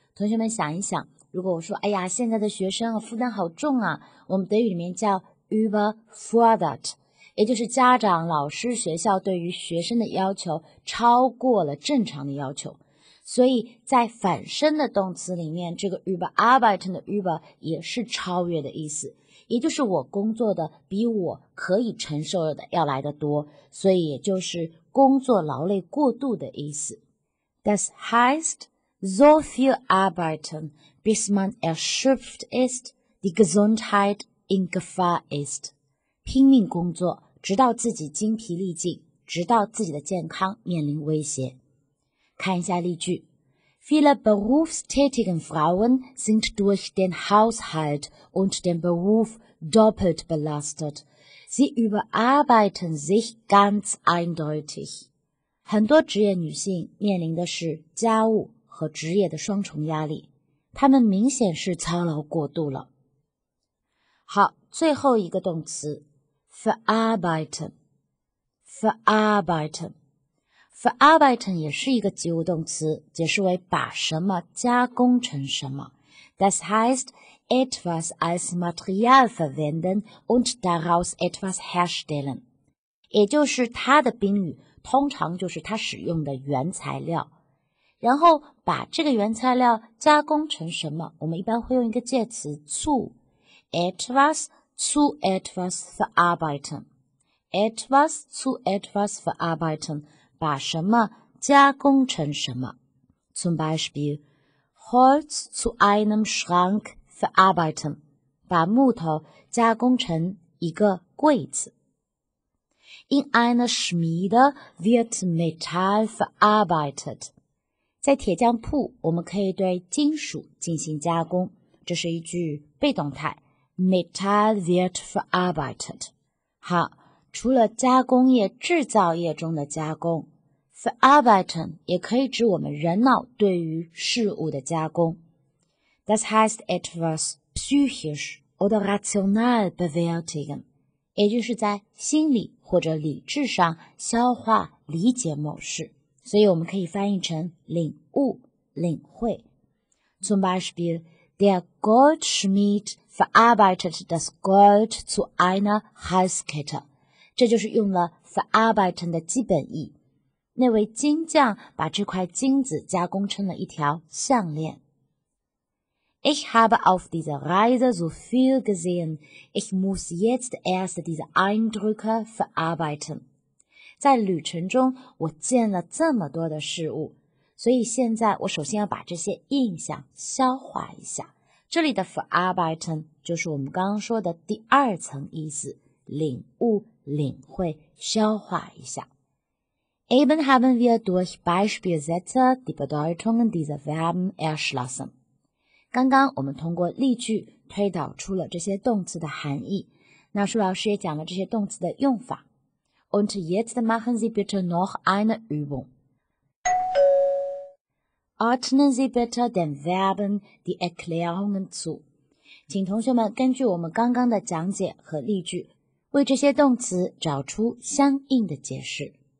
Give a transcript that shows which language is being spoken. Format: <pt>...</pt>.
<zh>同学们想一想，如果我说哎呀现在的学生负担好重啊，我们德语里面叫 überfordert， 也就是家长、老师、学校对于学生的要求超过了正常的要求。所以在反身的动词里面，这个 überarbeiten 的 über 也是超越的意思，也就是我工作的比我可以承受的要来得多，所以也就是工作劳累过度的意思。</zh> <de>Das heißt so viel arbeiten,bis man erschöpft ist, die Gesundheit in Gefahr ist.</de> <zh>拼命工作，直到自己精疲力尽，直到自己的健康面临威胁。看一下例句。</zh> <de>Viele berufstätigen Frauen sind durch den Haushalt und den Beruf doppelt belastet. Sie überarbeiten sich ganz eindeutig.</de> <zh>很多职业女性面临的是家务和职业的双重压力。他们明显是操劳过度了。好，最后一个动词 verarbeiten， verarbeiten， verarbeiten 也是一个及物动词，解释为把什么加工成什么。</zh> <de>Das heißt etwas als Material verwenden und daraus etwas herstellen，</de> <zh>也就是它的宾语通常就是它使用的原材料，然后把这个原材料加工成什么，我们一般会用一个介词 zu，</zh> <de>etwas zu etwas verarbeiten，</de> <zh>etwas zu etwas verarbeiten， 把什么加工成什么。</zh> <de>zum Beispiel Holz zu einem Schrank verarbeiten，</de> <zh>把木头加工成一个柜子。</zh> <de>In einer Schmiede wird Metall verarbeitet，</de> <zh>在铁匠铺，我们可以对金属进行加工，这是一句被动态 ，</zh> <de>metal wird verarbeitet。</de> <zh>好，除了加工业、制造业中的加工 Verarbeiten 也可以指我们人脑对于事物的加工。</zh> <de>Das heißt etwas psychisch oder rational bewältigen,</de> <zh>也就是在心理或者理智上消化理解某事。所以我们可以翻译成领悟、领会。</zh> <de>Zum Beispiel, der Goldschmied verarbeitet das Gold zu einer Halskette.</de> <zh>这就是用了 verarbeiten 的基本意。那位金匠把这块金子加工成了一条项链。</zh> <de>Ich habe auf dieser Reise so viel gesehen, ich muss jetzt erst diese Eindrücke verarbeiten.</de> <zh>在旅程中我见了这么多的事物，所以现在我首先要把这些印象消化一下。这里的 verarbeiten 就是我们刚刚说的第二层意思，领悟、领会、消化一下。</zh> <de>Eben haben wir durch Beispielsätze die Bedeutungen dieser Verben erschlossen.</de> <zh>刚刚我们通过例句推导出了这些动词的含义，那舒老师也讲了这些动词的用法。</zh> <de>Und jetzt machen Sie bitte noch eine Übung. Ordnen Sie bitte den Verben die Erklärungen zu.</de> <zh>请同学们根据我们刚刚的讲解和例句，为这些动词找出相应的解释。</zh>